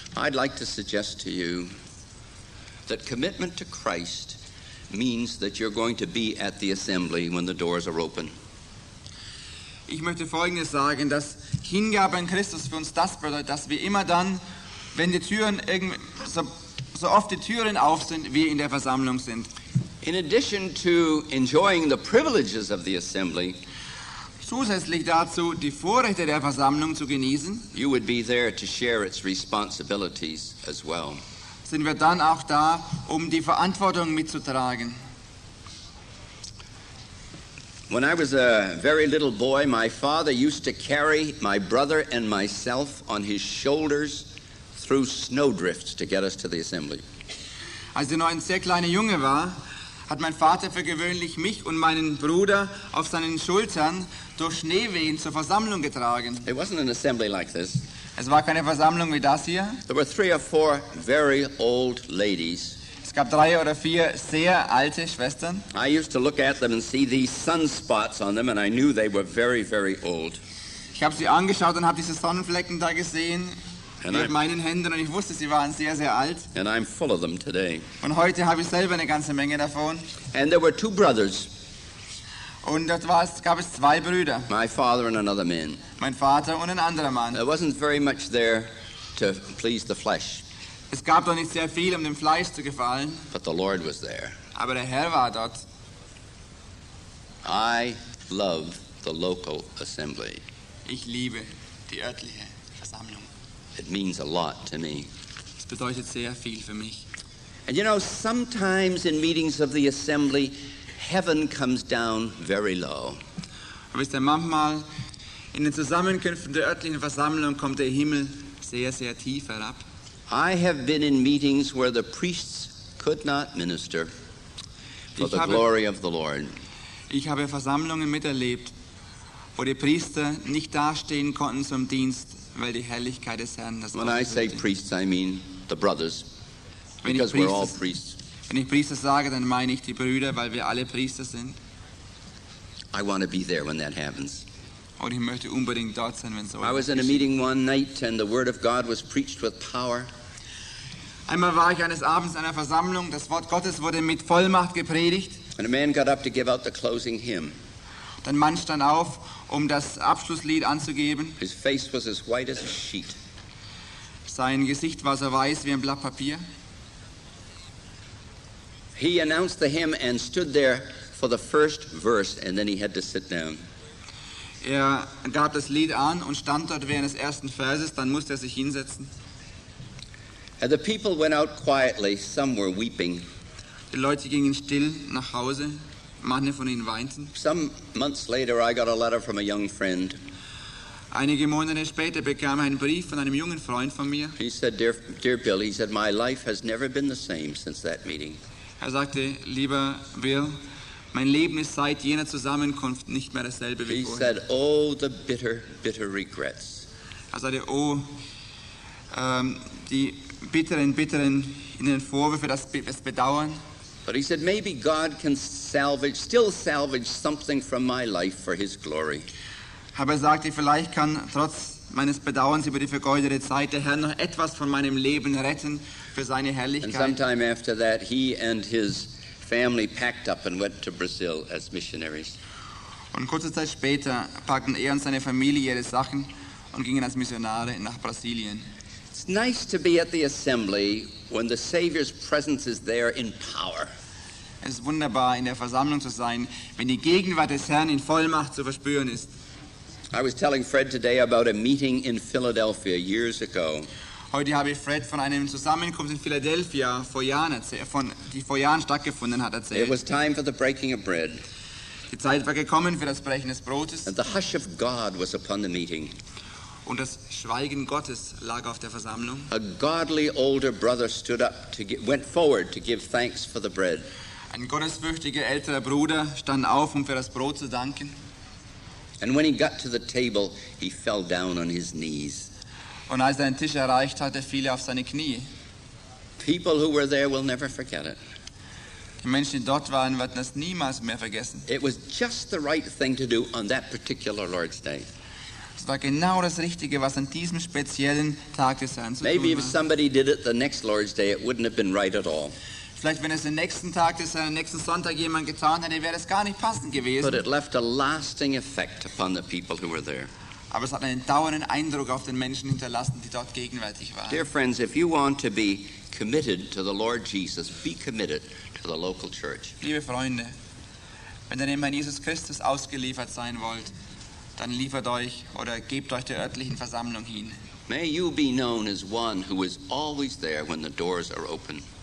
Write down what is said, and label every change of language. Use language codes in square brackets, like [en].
[en] I'd like to suggest to you that commitment to Christ means that you're going to be at the assembly when the doors are open. [de] Ich möchte Folgendes sagen, dass Hingabe an Christus für uns das bedeutet, dass wir immer dann, wenn die Türen so oft die Türen auf sind, wir in der Versammlung sind. [en] In addition to enjoying the privileges of the assembly, [de] zusätzlich dazu die Vorrechte der Versammlung zu genießen, [en] you would be there to share its responsibilities as well. [de] Sind wir dann auch da, um die Verantwortung mitzutragen. [en] When I was a very little boy, my father used to carry my brother and myself on his shoulders through snowdrifts to get us to the assembly. [de] Als ich noch ein sehr kleiner Junge war, hat mein Vater für gewöhnlich mich und meinen Bruder auf seinen Schultern durch Schneewehen zur Versammlung getragen. [en] It wasn't an assembly like this. [de] Es war keine Versammlung wie das hier. [en] There were three or four very old ladies. [de] Es gab drei oder vier sehr alte Schwestern. [en] I used to look at them and see these sunspots on them, and I knew they were very, very old. [de] Ich habe sie angeschaut und habe diese Sonnenflecken da gesehen mit meinen Händen, und ich wusste, sie waren sehr, sehr alt. [en] And I'm full of them today. [de] Und heute habe ich selber eine ganze Menge davon. [en] And there were two brothers. [de] Und dort war, gab es zwei Brüder. [en] My father and another man. [de] Mein Vater und ein anderer Mann. [en] There wasn't very much there to please the flesh. [de] Es gab doch nicht sehr viel, um dem Fleisch zu gefallen. [en] But the Lord was there. [de] Aber der Herr war dort. [en] I love the local assembly. [de] Ich liebe die örtliche Versammlung. [en] It means a lot to me. [de] Es bedeutet sehr viel für mich. [en] And you know, sometimes in meetings of the assembly, heaven comes down very low. [de] Aber manchmal in den Zusammenkünften der örtlichen Versammlung kommt der Himmel sehr, sehr tief herab. [en] I have been in meetings where the priests could not minister for the glory of the Lord. [de] Ich habe Versammlungen miterlebt, wo die Priester nicht dastehen konnten zum Dienst, weil die Herrlichkeit des Herrn das. [en] When I say priests, I mean the brothers, because we're all priests. [de] Wenn ich Priester sage, dann meine ich die Brüder, weil wir alle Priester sind. [en] I want to be there when that happens. [de] Und ich möchte unbedingt dort sein, wenn so. [en] I was in a meeting one night and the word of God was preached with power. [de] Einmal war ich eines Abends in einer Versammlung, das Wort Gottes wurde mit Vollmacht gepredigt. [en] And a man got up to give out the closing hymn. [de] Ein Mann stand auf, um das Abschlusslied anzugeben. [en] His face was as white as a sheet. [de] Sein Gesicht war so weiß wie ein Blatt Papier. [en] He announced the hymn and stood there for the first verse, and then he had to sit down. [de] Er gab das Lied an und stand dort während des ersten Verses, dann musste er sich hinsetzen. [en] And the people went out quietly, some were weeping. [de] Die Leute gingen still nach Hause, manche von ihnen weinten. [en] Some months later I got a letter from a young friend. [de] Einige Monate später bekam ich einen Brief von einem jungen Freund von mir. [en] He said, dear Bill, he said, my life has never been the same since that meeting. [de] Er sagte, lieber Bill, mein Leben ist seit jener Zusammenkunft nicht mehr dasselbe wie vorher. [en] He said, oh, the bitter, bitter regrets. [de] Er sagte, oh, die bitteren, bitteren in den Vorwürfe, das Bedauern. [en] But he said, maybe God can still salvage something from my life for his glory. [de] Aber er sagte, vielleicht kann trotz meines Bedauerns über die vergeudete Zeit der Herr noch etwas von meinem Leben retten für seine Herrlichkeit. [en] And sometime after that, he and his family packed up and went to Brazil as missionaries. [de] Und kurze Zeit später packten er und seine Familie ihre Sachen und gingen als Missionare nach Brasilien. [en] It's nice to be at the assembly when the Savior's presence is there in power. [de] Es ist wunderbar, in der Versammlung zu sein, wenn die Gegenwart des Herrn in Vollmacht zu verspüren ist. [en] I was telling Fred today about a meeting in Philadelphia years ago. [de] Heute habe ich Fred von einem Zusammenkunft in Philadelphia vor Jahren erzählt, die vor Jahren stattgefunden hat, erzählt. [en] It was time for the breaking of bread. [de] Die Zeit war gekommen für das Brechen des Brotes. [en] And the hush of God was upon the meeting. [de] Und das Schweigen Gottes lag auf der Versammlung. [en] A godly older brother stood up to went forward to give thanks for the bread. [de] Ein gottesfürchtiger älterer Bruder stand auf, um für das Brot zu danken. [en] And when he got to the table, he fell down on his knees. [de] Und als er den Tisch erreicht hatte, fiel er auf seine Knie. [en] People who were there will never forget it. [de] Die Menschen, die dort waren, werden das niemals mehr vergessen. [en] It was just the right thing to do on that particular Lord's Day. [de] Es war genau das Richtige, was an diesem speziellen Tag des Herrn zu tun war. [en] Maybe if somebody did it the next Lord's Day, it wouldn't have been right at all. [de] Vielleicht, wenn es den nächsten Tag des Herrn, nächsten Sonntag jemand getan hätte, wäre es gar nicht passend gewesen. [en] But it left a lasting effect upon the people who were there. [de] Aber es hat einen dauernden Eindruck auf den Menschen hinterlassen, die dort gegenwärtig waren. [en] Dear friends, if you want to be committed to the Lord Jesus, be committed to the local church. [de] Liebe Freunde, wenn ihr dem Herrn Jesus Christus ausgeliefert sein wollt, dann liefert euch oder gebt euch der örtlichen Versammlung hin. [en] May you be known as one who is always there when the doors are open.